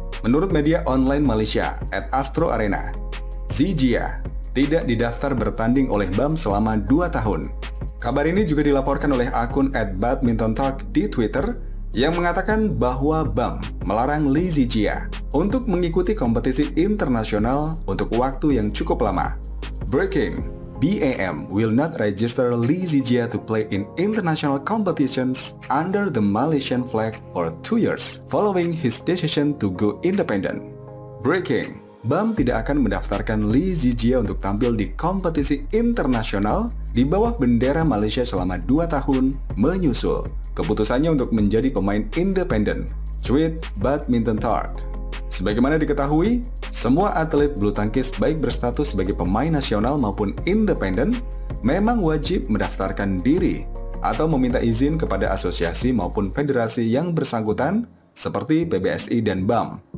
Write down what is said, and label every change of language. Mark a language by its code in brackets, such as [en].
[id] Menurut media online Malaysia at Astro Arena, Zijia tidak didaftar bertanding oleh BAM selama 2 tahun. Kabar ini juga dilaporkan oleh akun at Badminton Talk di Twitter yang mengatakan bahwa BAM melarang Lee Zijia untuk mengikuti kompetisi internasional untuk waktu yang cukup lama. [en] Breaking, BAM will not register Lee Zijia to play in international competitions under the Malaysian flag for 2 years following his decision to go independent. [id] Breaking, BAM tidak akan mendaftarkan Lee Zijia untuk tampil di kompetisi internasional di bawah bendera Malaysia selama 2 tahun menyusul keputusannya untuk menjadi pemain independen, tweet Badminton Talk. Sebagaimana diketahui, semua atlet bulu tangkis baik berstatus sebagai pemain nasional maupun independen memang wajib mendaftarkan diri atau meminta izin kepada asosiasi maupun federasi yang bersangkutan seperti PBSI dan BAM.